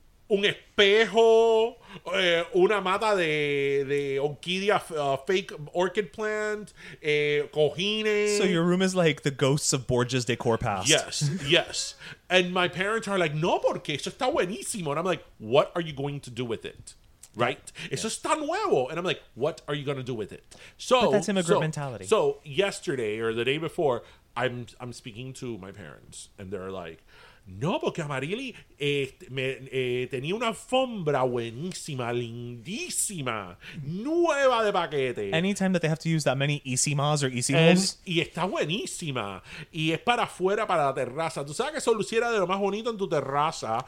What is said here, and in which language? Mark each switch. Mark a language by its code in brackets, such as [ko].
[es] Un espejo, una mata de orquídea, [en] fake orchid plant, [es] cojines. [en] So your room is like the ghosts of Borges' decor past. Yes. And my parents are like, [es] no, porque eso está buenísimo. [en] And I'm like, what are you going to do with it? Right? Yeah. It's just [es] tan nuevo. [en] And I'm like, what are you going to do with it? So, but that's immigrant mentality. So yesterday or the day before, I'm speaking to my parents. And they're like, [es] no, porque Amarili tenía una alfombra buenísima, lindísima, nueva de paquete. [en] Anytime that they have to use that many isimas or isimos. [es] Y está buenísima. Y es para afuera, para la terraza. Tú sabes que eso luciera de lo más bonito en tu terraza.